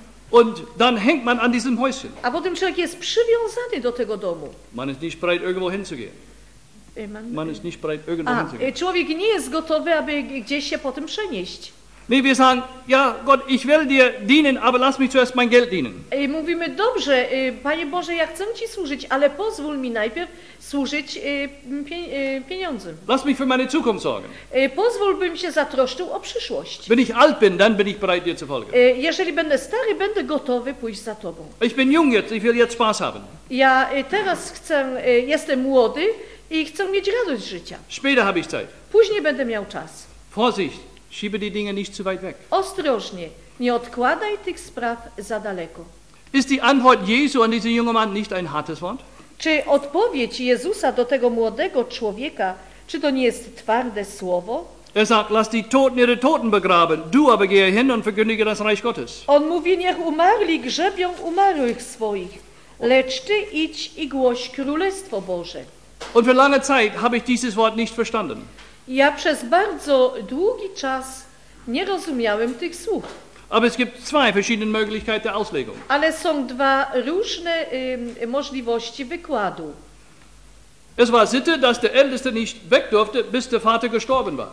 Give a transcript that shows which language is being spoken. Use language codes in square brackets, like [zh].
[de] Und dann hängt man an diesem Häuschen. [pl] A potem człowiek jest przywiązany do tego domu. [de] Man ist nicht bereit, irgendwo hinzugehen. Man ist nicht bereit, irgendwo hinzugehen. [pl] Człowiek nie jest gotowy, aby gdzieś się potem przenieść. [de] Nee, wir sagen, ja, Gott, ich will dir dienen, aber lass mich zuerst mein Geld dienen. [pl] I mówimy, dobrze, Panie Boże, ja chcę ci służyć, ale pozwól mi najpierw służyć pieniądzem. [de] Lass mich für meine Zukunft sorgen. [pl] Pozwól, bym się zatroszczył o przyszłość. [de] Wenn ich alt bin, dann bin ich bereit, dir zu folgen. [pl] Jeżeli będę stary, będę gotowy pójść za tobą. [de] Ich bin jung jetzt, ich will jetzt Spaß haben. [pl] Ja teraz chcę, jestem młody i chcę mieć radość życia. [de] Später habe ich Zeit. [pl] Później będę miał czas. [de] Vorsicht! Schiebe die Dinge nicht zu weit weg. [pl] Ostrożnie, nie odkładaj tych spraw za daleko. [de] Ist die Antwort Jesu an diesen jungen Mann nicht ein hartes Wort? [pl] Czy odpowiedź Jezusa do tego młodego człowieka, czy to nie jest twarde słowo? [de] Er sagt, lass die Toten ihre Toten begraben, du aber gehe hin und verkündige das Reich Gottes. [pl] On mówi, niech umarli grzebią umarłych swoich, lecz ty idź i głoś Królestwo Boże. [de] Und für lange Zeit habe ich dieses Wort nicht verstanden. [pl] Ja przez bardzo długi czas nie rozumiałem tych słów. [de] Aber es gibt zwei verschiedene Möglichkeiten der Auslegung. [pl] Ale są dwa różne możliwości wykładu. [de] Es war Sitte, dass der Älteste nicht weg durfte, bis der Vater gestorben war.